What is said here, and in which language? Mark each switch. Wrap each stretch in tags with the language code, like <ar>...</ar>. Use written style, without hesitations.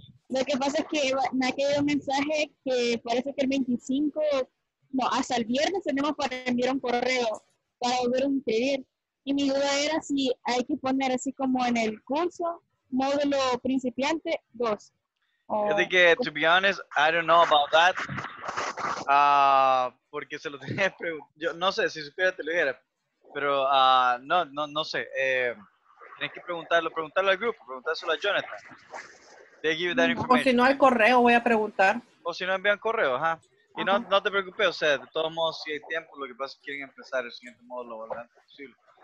<es>Lo que pasa es que me ha quedado un mensaje que parece que el 25, no, hasta el viernes tenemos para enviar un correo para volver a inscribir. Y mi duda era si hay que poner así como en el curso, módulo principiante 2. Yo dije,</es> <en>to be honest, I don't know about that.</en> <es>Porque se lo tenía preguntado. Yo no sé, si supiera te lo dijera. Pero no sé. Tienes que preguntarlo al grupo, preguntárselo a Jonathan.</es> <en>They give you that information.</en> <es>O si no, al correo voy a preguntar. O si no, envían correo, ajá. Y no, no te preocupes, o sea, de todos modos, si hay tiempo, lo que pasa es que quieren empezar el siguiente módulo lo antes posible.</es>